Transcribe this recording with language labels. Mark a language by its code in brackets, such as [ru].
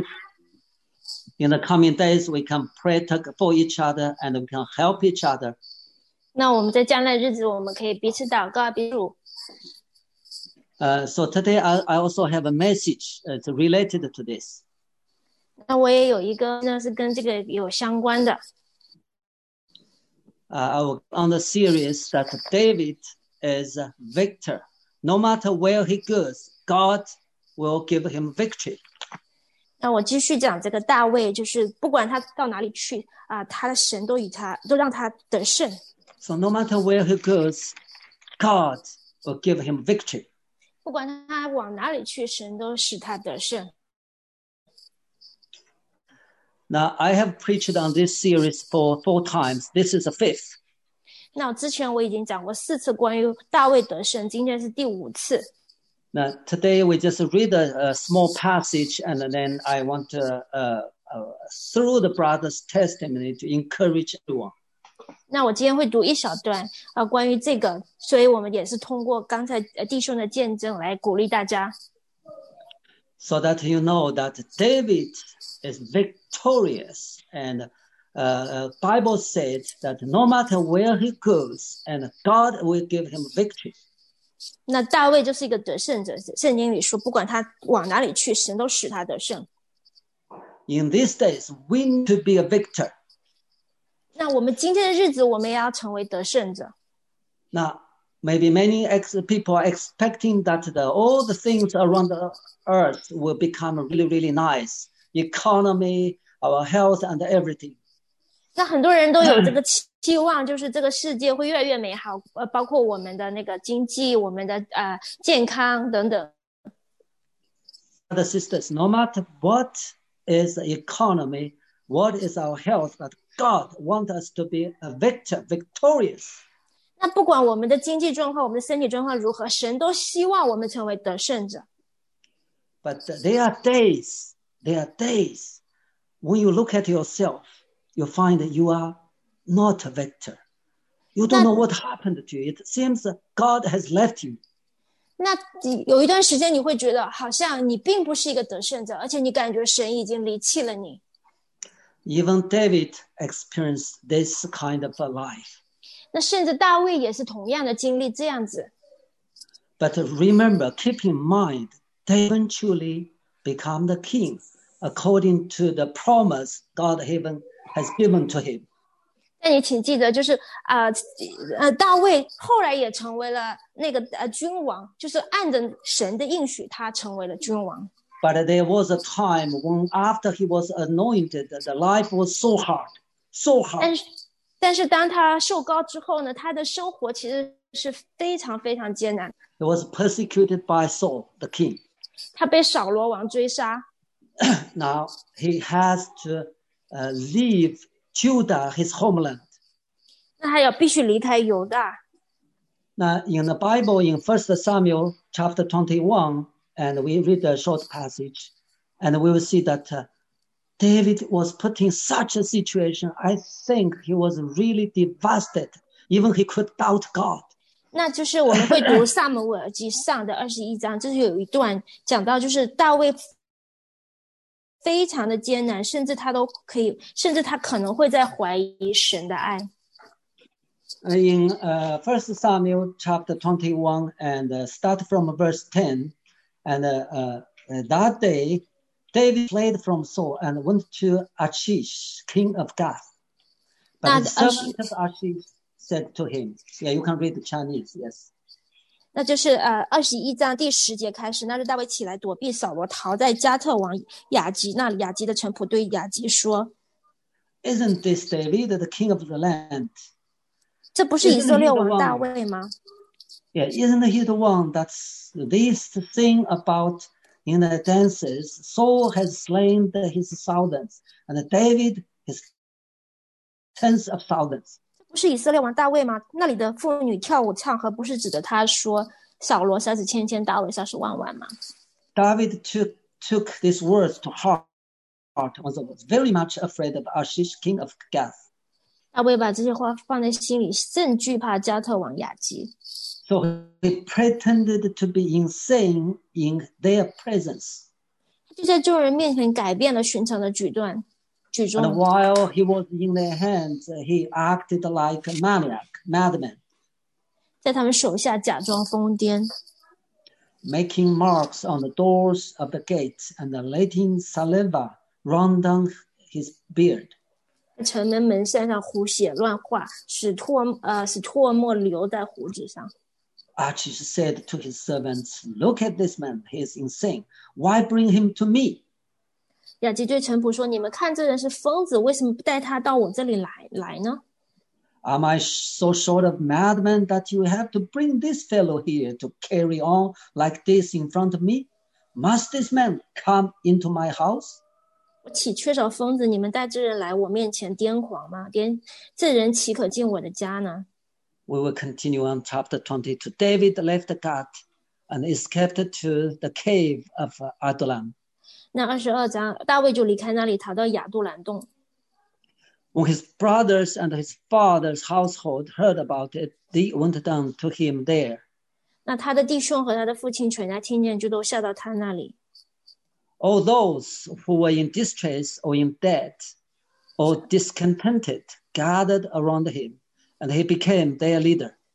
[en] So in the coming days, we can pray for each other and we can help each other. [zh] 那我们在将来日子，我们可以彼此祷告，彼此。 [en] So today, I also have a message. It's related to this. [zh] 那我也有一个呢，是跟这个有相关的。 [en] On the series that David is a victor, no matter where he goes, God will give him victory. [zh] 那我继续讲这个大卫，就是不管他到哪里去啊，他的神都与他，都让他得胜。 [en] So no matter where he goes, God will give him victory. [zh] 不管他往哪里去，神都使他得胜。 [en] Now I have preached on this series for 4 times. This is the 5th. [zh] 那之前我已经讲过4次关于大卫得胜，今天是第5次。 [en] Now today we just read a small passage, and then I want to through the brother's testimony to encourage everyone. [zh] 那我今天会读一小段关于这个，所以我们也是通过刚才弟兄的见证来鼓励大家。 [en] So that you know that David is victorious, and Bible says that no matter where he goes, and God will give him victory. [zh] 那大卫就是一个得胜者，圣经里说，不管他往哪里去，神都使他得胜。 [en] In these days, we need to be a victor. [zh] 那我们今天的日子，我们也要成为得胜者。 [en] 那Maybe many people are expecting that all the things around the earth will become really, really nice. Economy, our health, and everything. [zh] 那很多人都有这个期望，就是这个世界会越来越美好，包括我们的那个经济，我们的健康等等。 [en] Brothers and sisters, no matter what is the economy, what is our health, but God wants us to be a victor, victorious. [zh] 那不管我们的经济状况，我们的身体状况如何，神都希望我们成为得胜者。 [en] But there are days, when you look at yourself, you find that you are not a victor. You don't know what happened to you. It seems God has left you. [zh] 那有一段时间，你会觉得好像你并不是一个得胜者，而且你感觉神已经离弃了你。 [en] Even David experienced this kind of a life. [zh] 那甚至大卫也是同样的经历这样子。 [en] But remember, keep in mind, they eventually become the king according to the promise God heaven has given to him. [zh] 那你请记得就是大卫后来也成为了那个君王，就是按着神的应许他成为了君王。 [en] But there was a time when after he was anointed, the life was so hard, so hard. [zh] 但是当他受膏之后呢，他的生活其实是非常非常艰难。 [en] He was persecuted by Saul, the king. [zh] 他被扫罗王追杀。 [en] Now he has to leave Judah, his homeland. [zh] 那他要必须离开犹大。 [en] Now in the Bible, in 1 Samuel chapter 21, and we read a short passage, and we will see that. David was put in such a situation, I think he was really devastated, even he could doubt God. [zh] 那就是我们会读撒母耳记上的21章，这是有一段讲到就是大卫非常的艰难，甚至他都可以，甚至他可能会在怀疑神的爱。 [en] In 1 Samuel chapter 21, and start from verse 10, and that day,David fled from Saul and went to Achish, king of Gath. But the servant of Achish said to him, Yeah, you can read the Chinese, yes. [zh] 那就是21章第10节开始，那日大卫起来躲避扫罗，逃在加特王雅吉那里。雅吉的臣仆对雅吉说 [en] Isn't this David, the king of the land? [zh] 这不是以色列王大卫吗？ [en] Yeah, isn't he the one that's this thing aboutIn the dances, Saul has slain his thousands, and David his tens of thousands. [zh] 不是以色列王大卫吗？那里的妇女跳舞唱和，不是指着他说扫罗杀死千千，大卫杀死万万吗？ [en] David took these words to heart, and was very much afraid of Achish, king of Gath. [zh] 大卫把这些话放在心里，甚惧怕加特王雅基。 [en] So he pretended to be insane in their presence. [zh] 就在众人面前改变了寻常的举动。 [en] And while he was in their hands, he acted like a maniac, madman. [zh] 在他们手下假装疯癫。 [en] Making marks on the doors of the gates and letting saliva run down his beard. [zh] 城门门扇上胡写乱画，使唾沫流在胡子上。 [en] Achish said to his servants, "Look at this man; he is insane. Why bring him to me?" [zh] 亚基对陈仆说，你们看这人是疯子，为什么不带他到我这里 来呢？ [en] Am I so short of madman that you have to bring this fellow here to carry on like this in front of me? Must this man come into my house? [zh] 我岂缺少疯子，你们带这人来我面前癫狂吗？这人岂可进我的家呢？ [en] We will continue on chapter 22. David left God and escaped to the cave of Adullam. [zh] 那二十二章，大卫就离开那里，逃到亚杜兰洞。 [en] When his brothers and his father's household heard about it, they went down to him there. [zh] 那他的弟兄和他的父亲全家听见，就都下到他那里。 [en] All those who were in distress or in debt or discontented gathered around him, and he became their leader.